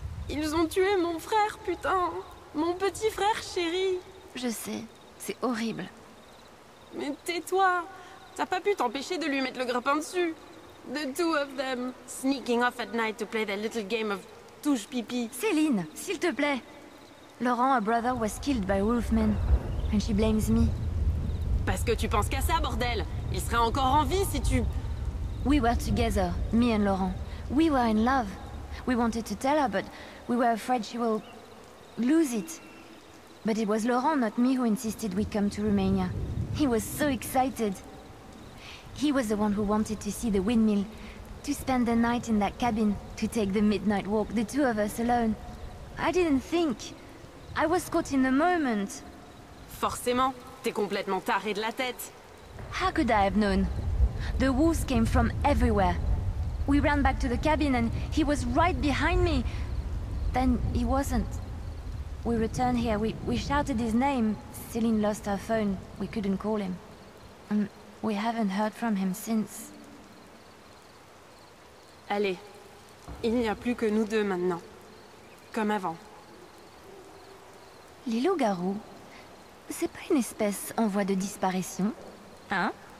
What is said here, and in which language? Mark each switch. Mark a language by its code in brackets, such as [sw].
[fr] Ils ont tué mon frère, putain! Mon petit frère chéri! Je sais, c'est horrible. Mais tais-toi! T'as pas pu t'empêcher de lui mettre le grappin dessus! [en] The two of them! Sneaking off at night to play their little game of touche-pipi! [fr] Céline, s'il te plaît! [en] Laurent, a brother, was killed by Wolfman. And she blames me. [fr] Parce que tu penses qu'à ça, bordel! Il serait encore en vie si tu... [en] We were together, me and Laurent. We were in love. We wanted to tell her, but we were afraid she will lose it. But it was Laurent, not me, who insisted we come to Romania. He was so excited. He was the one who wanted to see the windmill, to spend the night in that cabin, to take the midnight walk, the two of us alone. I didn't think. I was caught in the moment. [fr] Forcément, t'es complètement taré de la tête. [en] How could I have known? The wolves came from everywhere. We ran back to the cabin and he was right behind me. Then he wasn't. We returned here, we shouted his name. Céline lost her phone, we couldn't call him. And we haven't heard from him since. [fr] Allez, il n'y a plus que nous deux maintenant. Comme avant. Les loups-garous, c'est pas une espèce en voie de disparition, hein?